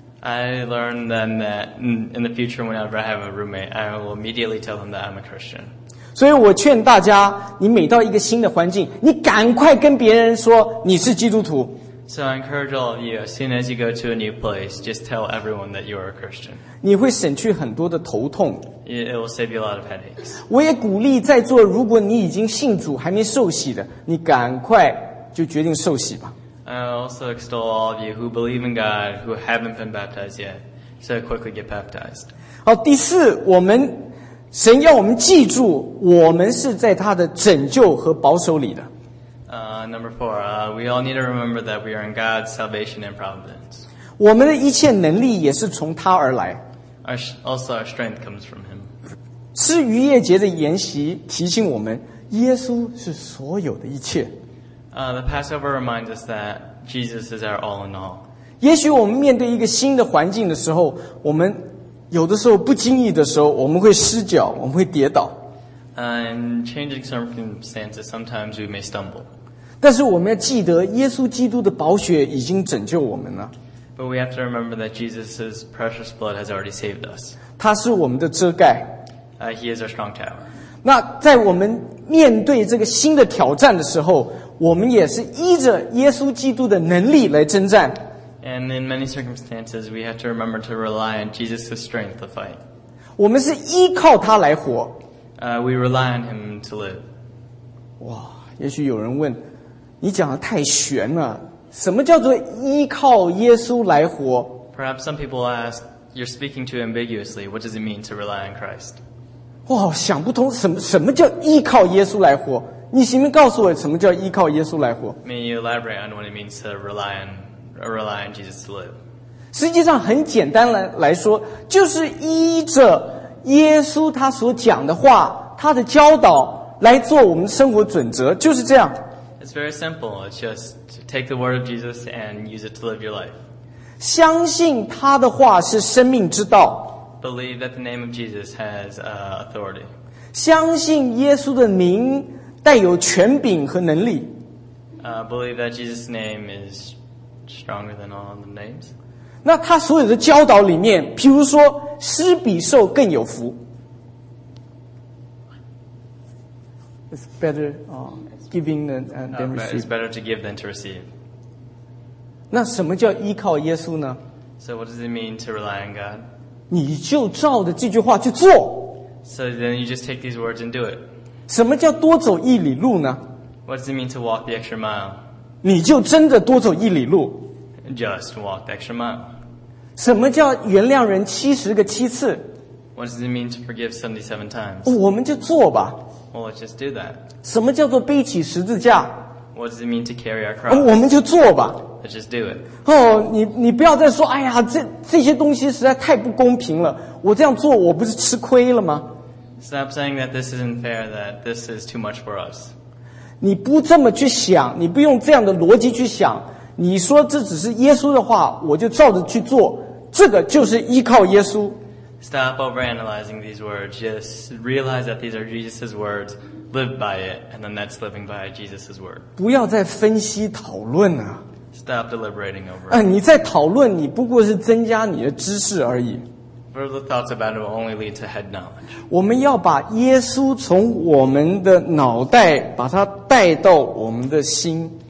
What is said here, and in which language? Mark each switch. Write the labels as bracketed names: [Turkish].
[English] I learned then that in the future, whenever I have a roommate, I will immediately tell them that I'm a Christian. [Chinese] 所以我劝大家，你每到一个新的环境，你赶快跟别人说你是基督徒。 [English] So I encourage all of you, as soon as you go to a new place, just tell everyone that you are a Christian. [Chinese] 你会省去很多的头痛。 [English] It will save you a lot of headaches. [Chinese] 我也鼓励在座，如果你已经信主还没受洗的，你赶快。就决定受洗吧。 [English] I also extol all of you who believe in God who haven't been baptized yet, so quickly get baptized. [Chinese] 好，第四，我们神要我们记住，我们是在他的拯救和保守里的。 [English] Number four, we all need to remember that we are in God's salvation and providence. [Chinese] 我们的一切能力也是从他而来。 [English] Also, our strength comes from Him. [Chinese] 吃逾越节的筵席提醒我们，耶稣是所有的一切。 [English] The Passover reminds us that Jesus is our all in all. [Chinese] 也许我们面对一个新的环境的时候，我们有的时候不经意的时候，我们会失脚，我们会跌倒。 [English] And changing circumstances, sometimes we may stumble. [Chinese] 但是我们要记得，耶稣基督的宝血已经拯救我们了。 [English] But we have to remember that Jesus' precious blood has already saved us. [Chinese] 他是我们的遮盖。 [English] He is our strong tower. [Chinese] 那在我们面对这个新的挑战的时候，我们也是依着耶稣基督的能力来征战。 [English] And in many circumstances, we have to remember to rely on Jesus' strength to fight. [Chinese] 我们是依靠他来活。 [English] We rely on him to live. [Chinese] 哇，也许有人问，你讲的太玄了，什么叫做依靠耶稣来活？ [English] Perhaps some people ask, you're speaking too ambiguously, what does it mean to rely on Christ? [Chinese] 哇，想不通，什么叫依靠耶稣来活？你行不行告诉我什么叫依靠耶稣来活？ [English] May you elaborate on what it means to rely on Jesus to live? [Chinese] 实际上很简单来说，就是依着耶稣他所讲的话，他的教导来做我们生活准则，就是这样。 [English] It's very simple. It's just to take the word of Jesus and use it to live your life. [Chinese] 相信他的话是生命之道。 [English] Believe that the name of Jesus has authority. [Chinese] 相信耶稣的名带有权柄和能力。 [English] Believe that Jesus' name is stronger than all the names. [Chinese] 那他所有的教导里面，譬如说，施比受更有福。 [English] It's better giving than receive. It's better to give than to receive. [Chinese] 那什么叫依靠耶稣呢？ [English] So what does it mean to rely on God? [Chinese] 你就照着这句话去做。 [English] So then you just take these words and do it. [Chinese] 什么叫多走一里路呢？ [English] What does it mean to walk the extra mile? [Chinese] 你就真的多走一里路。 [English] Just walk the extra mile. [Chinese] 什么叫原谅人70个7次？ [English] What does it mean to forgive 77 times? [Chinese] 我们就做吧。 [English] Well, let's just do that. [Chinese] 什么叫做背起十字架？ [English] What does it mean to carry our cross? [Chinese] 我们就做吧。 [English] Let's just do it. [Chinese] 你不要再说，哎呀，这些东西实在太不公平了。我这样做，我不是吃亏了吗？ [English] Stop saying that this isn't fair, that this is too much for us. [Chinese] 你不这么去想，你不用这样的逻辑去想，你说这只是耶稣的话，我就照着去做，这个就是依靠耶稣。 [English] Stop overanalyzing these words. Just realize that these are Jesus' words. live by it, and then that's living by Jesus' word. [Chinese] 不要再分析讨论啊。 [English] Stop deliberating over. [Chinese] 你在讨论，你不过是增加你的知识而已。 [English] Further thoughts about it will only lead to head knowledge. [Chinese] 我们要把耶稣从我们的脑袋把它带到我们的心。